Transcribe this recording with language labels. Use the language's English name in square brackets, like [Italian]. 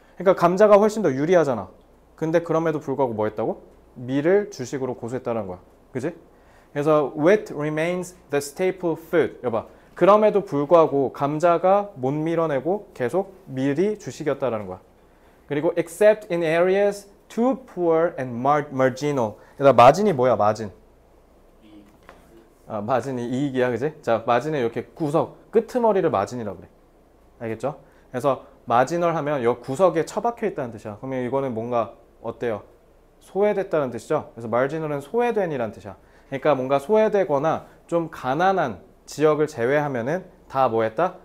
[Korean] 그러니까 감자가 훨씬 더 유리하잖아. 근데 그럼에도 불구하고 뭐 했다고? 밀을 주식으로 고수했다라는 거야. 그지? 그래서 [English] wheat remains the staple food. [Korean] 여봐. 그럼에도 불구하고 감자가 못 밀어내고 계속 밀이 주식이었다라는 거야. 그리고 [English] except in areas too poor and marginal. [Korean] 여기다 마진이 뭐야? 마진. 아, 마진이 이익이야. 그지? 자, 마진은 이렇게 구석, 끄트머리를 마진이라고 그래. 알겠죠? 그래서 마지널 하면 이 구석에 처박혀 있다는 뜻이야. 그러면 이거는 뭔가 어때요? 소외됐다는 뜻이죠? 그래서 마지널은 소외된이라는 뜻이야. 그러니까 뭔가 소외되거나 좀 가난한 지역을 제외하면은 다 뭐했다?